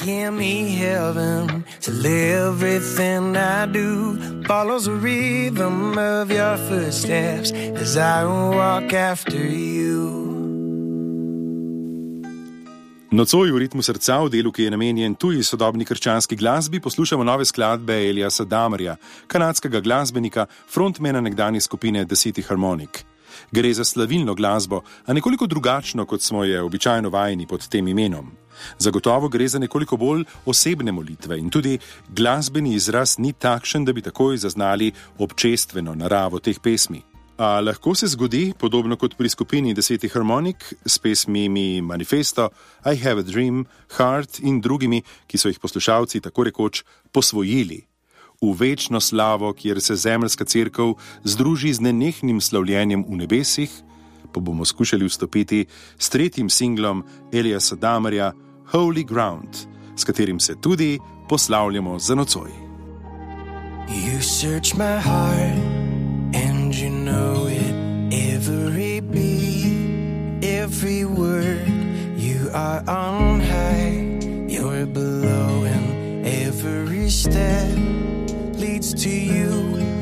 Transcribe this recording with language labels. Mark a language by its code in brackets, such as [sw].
[en] me heaven, till everything I do follows the rhythm of your footsteps as I walk after you. [sl] Nocoj v ritmu srca, v delu, ki je namenjen tuji sodobni krščanski glasbi, poslušamo nove skladbe Eliasa Damarja, kanadskega glasbenika, frontmena nekdanje skupine The City Harmonic. Gre za slavilno glasbo, a nekoliko drugačno, kot smo je običajno vajeni pod tem imenom. Zagotovo gre za nekoliko bolj osebne molitve in tudi glasbeni izraz ni takšen, da bi takoj zaznali občestveno naravo teh pesmi. A lahko se zgodi, podobno kot pri skupini Desetih Harmonik, s pesmimi Manifesto, I Have a Dream, Heart in drugimi, ki so jih poslušalci tako rekoč posvojili. V večno slavo, kjer se zemljska cerkev združi z nenehnim slavljenjem v nebesih, pa bomo skušali vstopiti s tretjim singlom Eliasa Damarja, Holy Ground, s katerim se tudi poslavljamo za nocoj. [en] You search my heart. You know it, every beat, every word. You are on high, you're below, and every step leads to you.